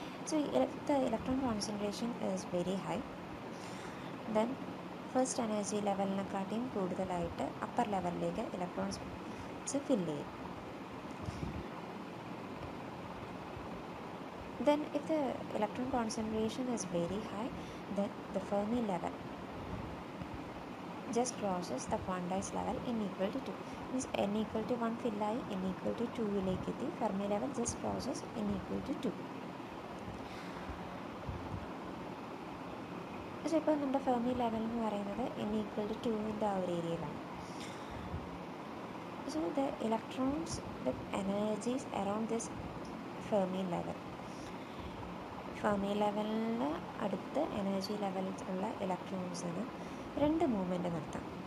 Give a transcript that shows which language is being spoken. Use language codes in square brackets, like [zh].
[en] so the electron concentration is very high, then first energy [ml] ലെവലിനെക്കാട്ടിയും കൂടുതലായിട്ട് [en] Upper ലെവലിലേക്ക് electrons fill ചെയ്യും. Then if the electron concentration is very high, then the Fermi level just crosses the quantized level n equal to 2. Means n equal to 1 fill ആയി, n equal to 2 [ml] ഇലേക്ക് എത്തി. [en] Fermi level just crosses n equal to 2. [ml] പക്ഷേ ഇപ്പോൾ നമ്മുടെ Fermi level എന്ന് പറയുന്നത് N equal to 2 ആ ഒരു ഏരിയയിലാണ്. [en] so the electrons with energies around this Fermi level, [ml] Fermi ലെവലിന് അടുത്ത് എനർജി ലെവലുള്ള ഇലക്ട്രോൺസിന് രണ്ട് മൂവ്മെൻറ്റ് നടത്താം.